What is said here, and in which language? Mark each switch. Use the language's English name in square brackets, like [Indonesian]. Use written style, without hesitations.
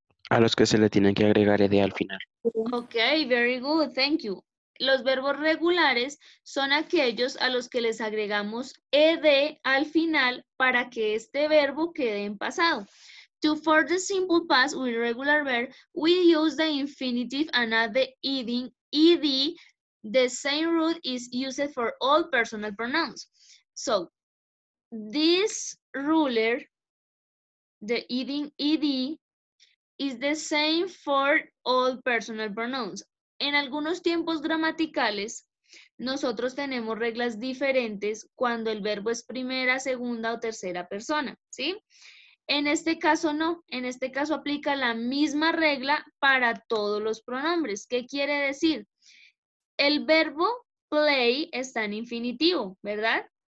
[Spanish] A los que se le tienen que agregar ed al final. [English] Ok, very good, thank you. [Spanish] Los verbos regulares son aquellos a los que les agregamos ed al final para que este verbo quede en pasado. [English] To form the simple past with regular verb, we use the infinitive and add the eding, ed. The same root is used for all personal pronouns. So, this ruler, the eding, ed, is the same for all personal pronouns. [Spanish] En algunos tiempos gramaticales, nosotros tenemos reglas diferentes cuando el verbo es primera, segunda o tercera persona, ¿sí? En este caso no, en este caso aplica la misma regla para todos los pronombres. ¿Qué quiere decir? El verbo play está en infinitivo, ¿verdad?